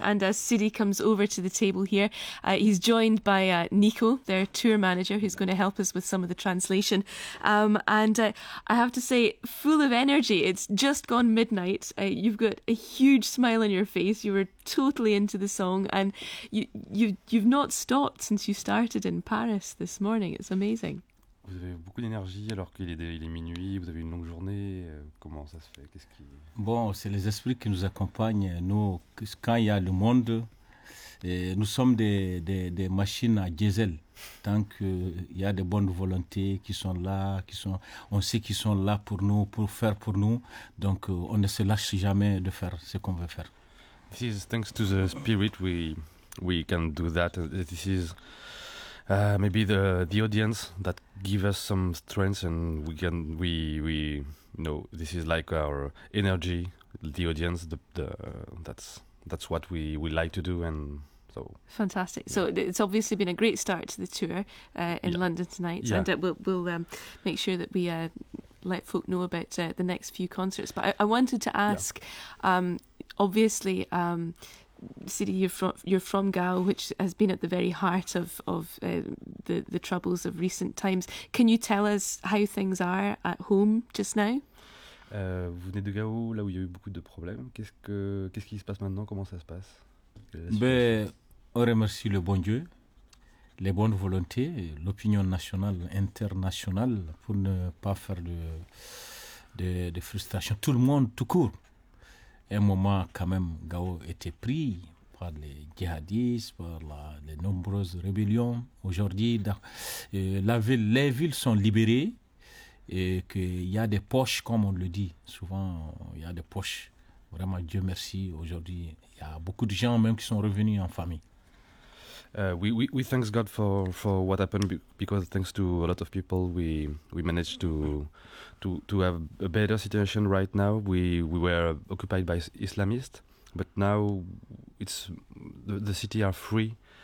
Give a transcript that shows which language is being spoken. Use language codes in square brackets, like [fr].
[en] And as Sidi comes over to the table here, he's joined by Nico, their tour manager, who's going to help us with some of the translation. I have to say, full of energy. It's just gone midnight. You've got a huge smile on your face. You were totally into the song, and you've not stopped since you started in Paris this morning. It's amazing. [fr] Vous avez beaucoup d'énergie alors qu'il est minuit, vous avez une longue journée. Comment ça se fait? Qu'est-ce qui... Bon, c'est les esprits qui nous accompagnent. Nous, quand il y a le monde, nous sommes des machines à diesel. Tant qu'il y a de bonnes volontés qui sont là, on sait qu'ils sont là pour nous, pour faire pour nous. Donc, on ne se lâche jamais de faire ce qu'on veut faire. [en] This is thanks to the spirit we can do that. This is maybe the audience that give us some strength, and we know this is like our energy. The audience, that's what we like to do, and so fantastic. Yeah. So it's obviously been a great start to the tour in yeah. London tonight, yeah. And we'll make sure that we let folk know about the next few concerts. But I wanted to ask. Yeah. Obviously, Sidi, you're from Gao, which has been at the very heart of the troubles of recent times. Can you tell us how things are at home just now? [fr] Vous venez de Gao, là où il y a eu beaucoup de problèmes. Qu'est-ce qui se passe maintenant? Comment ça se passe? Ben, on remercie le bon Dieu, les bonnes volontés, l'opinion nationale, internationale, pour ne pas faire de frustration. Tout le monde, tout court. Un moment, quand même, Gao était pris par les djihadistes, par les nombreuses rébellions. Aujourd'hui, les villes sont libérées et qu'il y a des poches, comme on le dit souvent, il y a des poches. Vraiment, Dieu merci, aujourd'hui, il y a beaucoup de gens même qui sont revenus en famille. [en] We thanks God for what happened because thanks to a lot of people we managed to have a better situation right now. We were occupied by Islamists, but now it's the city are free.